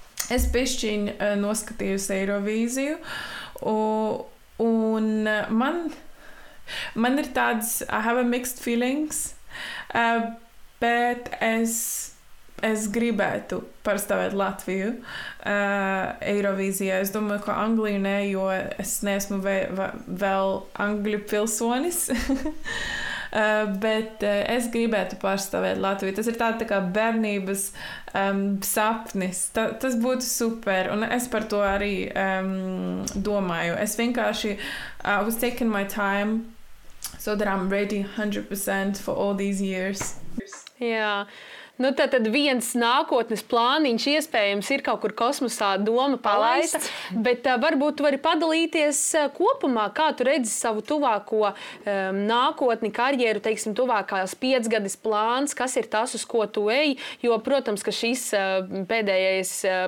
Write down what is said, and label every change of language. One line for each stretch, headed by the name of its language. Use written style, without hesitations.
Latvian: Es bišķiņ noskatījos Eirovīziju, un man ir tāds,
English: I have a mixed feelings,
Latvian: bet es gribētu parstāvēt Latviju Eirovīzijā. Es domāju, ka Angliju ne, jo es neesmu vēl Angļu pilsonis. bet es gribētu pārstāvēt Latviju. Tas ir tāda tā kā bērnības sapnis. Tas būtu super, un es par to arī domāju. Es vienkārši,
English: I was taking my time, so that I'm ready 100% for all these years.
Latvian: Jā, nu tad viens nākotnes plāniņš iespējams ir kaut kur kosmosā doma palaista, bet varbūt tu vari padalīties kopumā, kā tu redzi savu tuvāko nākotni, karjeru, teiksim, tuvākās 5 gadus plāns, kas ir tas, uz ko tu eji, jo, protams, ka šis pēdējais